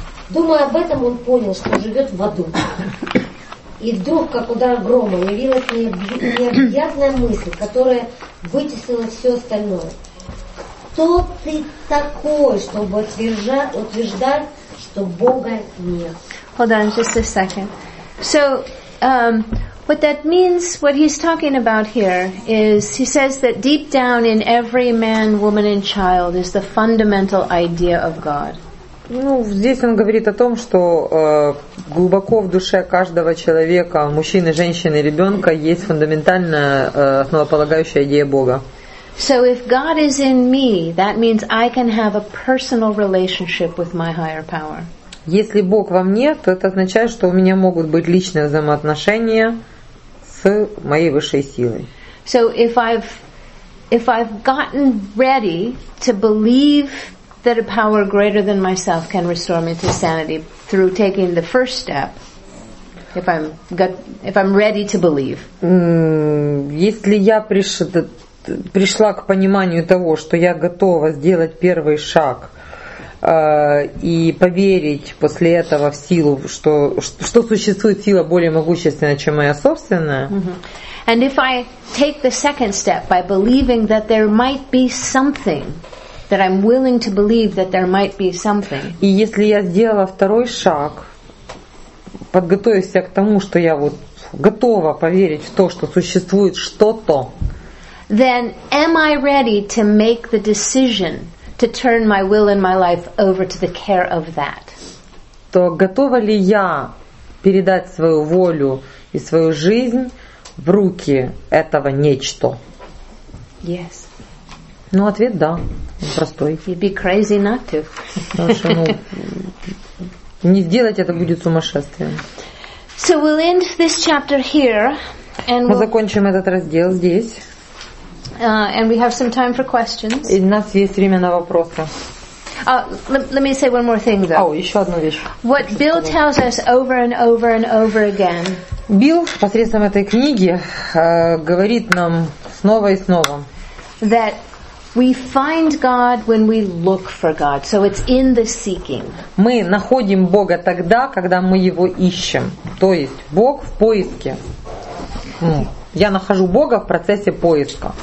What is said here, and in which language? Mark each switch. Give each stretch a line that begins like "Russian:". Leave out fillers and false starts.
Russian: Думая об этом, он понял, что живет в аду. И вдруг, как удар грома, явилась необъятная мысль, которая вытеснила все остальное. Кто ты такой, чтобы утверждать, что Бога нет?
English: Hold on just a second. So, what that means, what he's talking about here, is he says that deep down in every man, woman and child is the fundamental idea of God.
Russian: Ну, здесь он говорит о том, что глубоко в душе каждого человека, мужчины, женщины, ребенка, есть фундаментальная основополагающая идея Бога.
English: So if God is in me, that means I can have a personal relationship with my higher power.
Russian: Если Бог во мне, то это означает, что у меня могут быть личные взаимоотношения с моей высшей силой.
English: So if I've gotten ready to believe that a power greater than myself can restore me to sanity through taking the first step, if I'm ready to believe.
Russian: Если я пришла к пониманию того, что я готова сделать первый шаг и поверить после этого в силу, что существует сила более могущественная, чем моя собственная.
English: And if I take the second step by believing that there might be something, that I'm willing to believe that there might be something.
Russian: И если я сделала второй шаг, подготовившись к тому, что я вот готова поверить в то, что существует что-то.
English: Then am I ready to make the decision to turn my will and my life over to the care of that?
Russian: То готова ли я передать свою волю и свою жизнь в руки этого нечто?
English: Yes.
Russian: Ну, ответ да. Он простой.
English: You'd be crazy not to.
Russian: Не сделать это будет сумасшествием.
English: So we'll end this chapter here, and
Russian: мы закончим этот раздел здесь.
English: And we have some time for questions.
Russian: И у нас есть время на вопросы.
English: Let me say one more thing, though.
Russian: Еще одну вещь.
English: What Bill tells us over and over and over again.
Russian: Билл посредством этой книги говорит нам снова и снова.
English: That we find God when we look for God. So it's in the seeking.
Russian: Мы находим Бога тогда, когда мы его ищем. То есть Бог в поиске. Я нахожу Бога в процессе поиска.